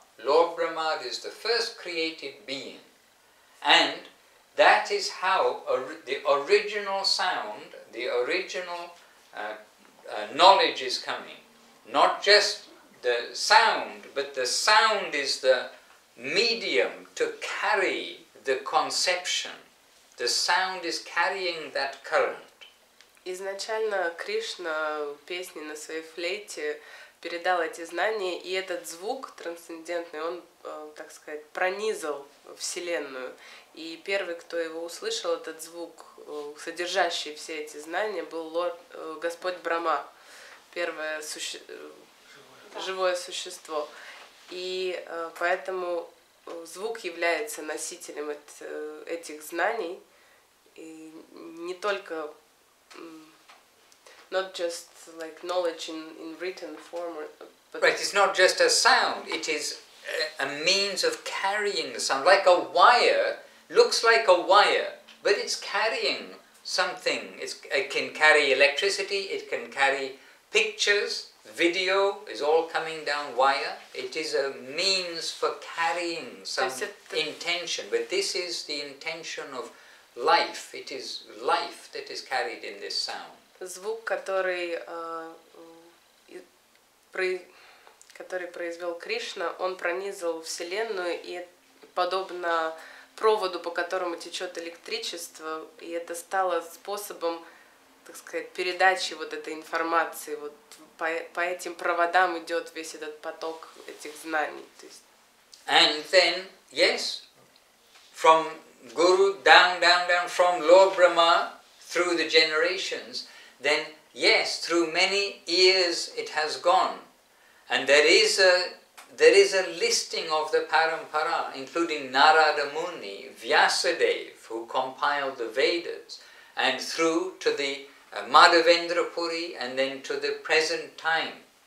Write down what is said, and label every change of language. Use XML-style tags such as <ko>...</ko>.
<en>Lord Brahma is the first created being. And that is how the original sound, the original knowledge is coming. Not just the sound, but the sound is the medium to carry the conception. The sound is carrying that current.</en> <ru>Изначально Кришна в песне на своей флейте передал эти знания, и этот звук трансцендентный, он, так сказать, пронизал Вселенную. И первый, кто его услышал, этот звук, содержащий все эти знания, был Лорд, Господь Брахма, первое живое существо. И поэтому звук является носителем этих знаний, и не только...</ru> <en>Not just like knowledge in written form, but right. It's not just a sound. It is a means of carrying the sound, like a wire. Looks like a wire, but it's carrying something. It can carry electricity. It can carry pictures, video. Is all coming down wire. It is a means for carrying some intention. But this is the intention of life. It is life that is carried in this sound.</en> <ru>Звук, который произвел Кришна, он пронизал Вселенную, и подобно проводу, по которому течет электричество, и это стало способом, так сказать, передачи вот этой информации. Вот по этим проводам идет весь этот поток этих знаний. То есть...</ru> <en>And then, yes, from Guru down, down, down, from Lord Brahma through the generations, then, yes, through many years it has gone. And there is a listing of the parampara, including Narada Muni, Vyasadeva, who compiled the Vedas, and through to the Madhavendra Puri, and then to the present time.</en>